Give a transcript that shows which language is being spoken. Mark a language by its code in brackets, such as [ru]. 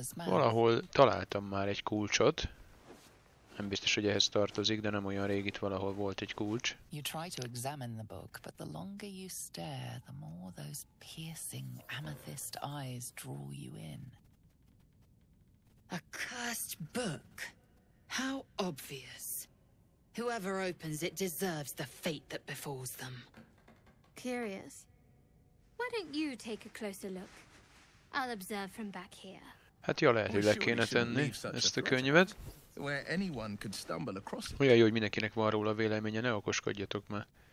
[hu] Valahol találtam már egy kulcsot. Nem biztos, hogy ehhez tartozik, de nem olyan rég itt valahol volt egy kulcs. [en] You try to examine the book, but the longer you stare, the more those piercing amethyst eyes draw you in. A cursed book. How obvious. Whoever opens it deserves the fate that befalls them. Curious. Why don't you take a closer look? I'll observe from back here. [hu] Hát jó, lehet, hogy le kéne tenni ezt a könyvet. Olyan jó, hogy mindenkinek van róla véleménye, ne okoskodjatok már.